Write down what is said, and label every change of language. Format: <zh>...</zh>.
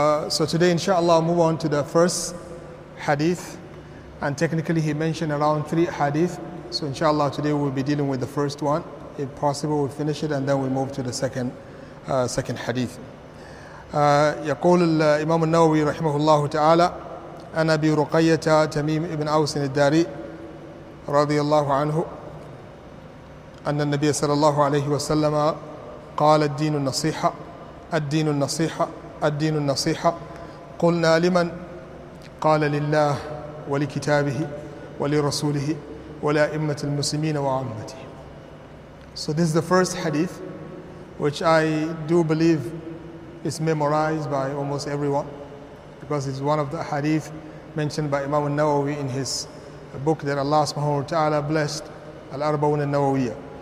<en>So today, inshallah, I'll move on to the first hadith. And technically, he mentioned around three hadith. So inshallah, today we'll be dealing with the first one. If possible, we'll finish it and then we'll move to the second hadith.</en> <ar>يقول الإمام النووي رحمه الله تعالى أنا أبي رقية تميم بن أوس الداري رضي الله عنه أن النبي صلى الله عليه وسلم قال الدين النصيحة الدين النصيحة الدين النصيحة قلنا لمن قال لله ولكتابه ولرسوله ولأئمة المسلمين وعامته.</ar> <en>So this is the first hadith which I do believe is memorized by almost everyone, because it's one of the hadith mentioned by Imam al-Nawawi in his book that Allah subhanahu wa ta'ala blessed Al-Arba'un al-Nawawiyyah.</en>